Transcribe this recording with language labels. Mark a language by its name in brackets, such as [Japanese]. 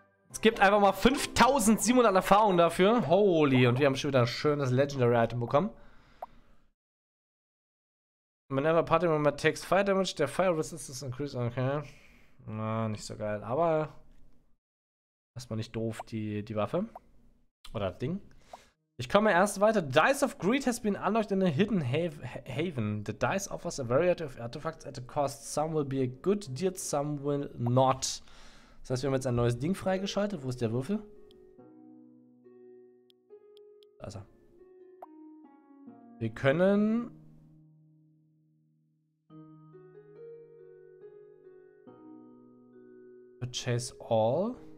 [German] Es gibt einfach mal 5700 Erfahrungen dafür. Holy, und wir haben schon wieder ein schönes Legendary-Item bekommen. [English] Whenever Party Member takes Fire Damage, der Fire Resistance increases. Okay. [German] Na, nicht so geil. Aber erstmal nicht doof, die Waffe. Oder das Ding. Ich komme erst weiter. [English] Dice of Greed has been unlocked in a hidden haven. The dice offers a variety of artifacts at a cost. Some will be a good deal, some will not. [German] Das heißt, wir haben jetzt ein neues Ding freigeschaltet. Wo ist der Würfel? Da ist er. Wir können. [English] Purchase all.